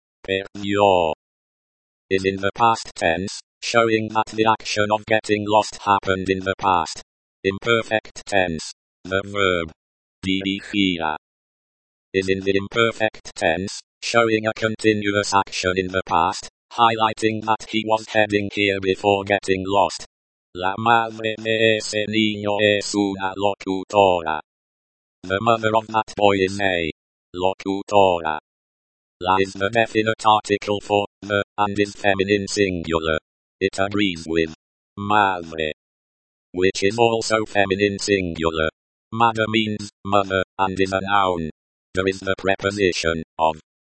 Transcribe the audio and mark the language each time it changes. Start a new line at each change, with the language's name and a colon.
English: Perdió is in the past tense, showing that the action of getting lost happened in the past. Imperfect tense. The verb. Dirigía is in the imperfect tense, showing a continuous action in the past, highlighting that he was heading here before getting lost.
Spanish: La madre de ese niño es una locutora.
English: The mother of that boy is a locutora. La is the definite article for the, and is feminine singular. It agrees with madre, which is also feminine singular. Madre means mother, and is a noun. There is the preposition of.